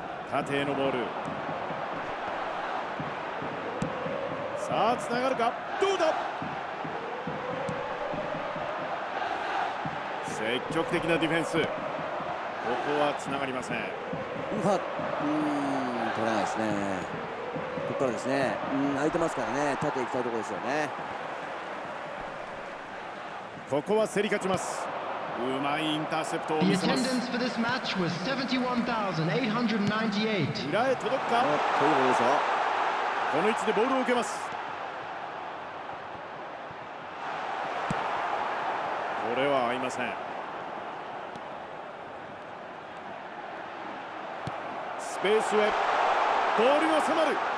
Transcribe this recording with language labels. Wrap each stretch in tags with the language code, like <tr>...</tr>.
<ja>縦へのボール、さあ繋がるか、どうだ、積極的なディフェンス、ここは繋がりません。うわ、取れないですね。ここからですね、空いてますからね、縦行きたいところですよね。ここは競り勝ちます。うまいインターセプトを見せます。</ja> <en>The attendance for this match was 71,898。</en> <ja>裏へ届くか、ということでしょう。この位置でボールを受けます。これは合いません。スペースへ、ボールが迫る。</ja>